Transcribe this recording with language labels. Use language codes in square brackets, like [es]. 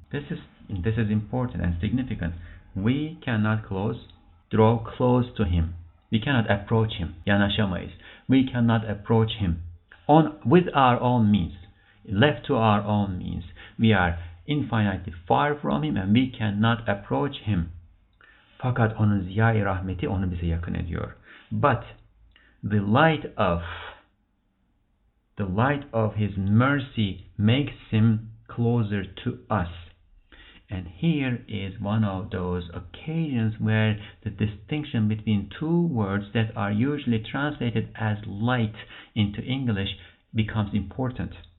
[en] This is important and significant. We cannot draw close to him. We cannot approach him. Yanaşamayız. We cannot approach him with our own means. Left to our own means, we are infinitely far from him and we cannot approach him. [tr] Fakat onun ziyai rahmeti onu bize yakın ediyor. [en] But the light of his mercy makes him closer to us. And here is one of those occasions where the distinction between two words that are usually translated as light into English becomes important.